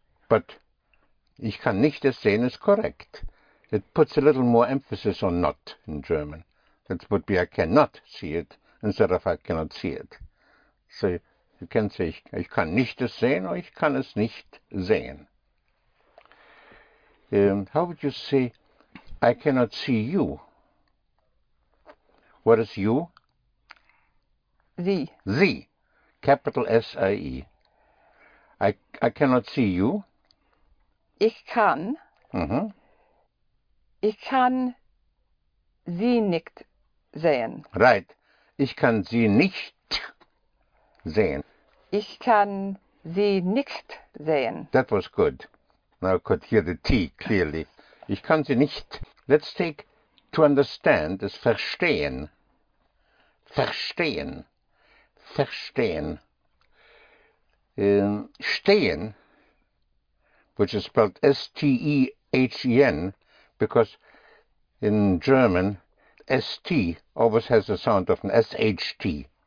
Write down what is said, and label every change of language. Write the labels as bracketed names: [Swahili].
[German] But ich kann nicht es sehen [English] is correct. It puts a little more emphasis on not in German. That would be I cannot see it instead of I cannot see it. So you can say ich kann nicht es sehen or [German] ich kann es nicht sehen. [English] How would you say I cannot see you? What is you? [German] Sie. [English] Sie. Capital S-I-E. I cannot see you. [German] Ich kann. Mm-hmm. Ich kann Sie nicht sehen. [English] Right. [German] Ich kann Sie nicht sehen. Ich kann Sie nicht sehen. [English] That was good. Now I could hear the T clearly. [German] Ich kann Sie nicht. [English] Let's take to understand is verstehen. Verstehen. Verstehen. Stehen, which is spelled S-T-E-H-E-N, because in German, S-T always has the sound of an S-H-T.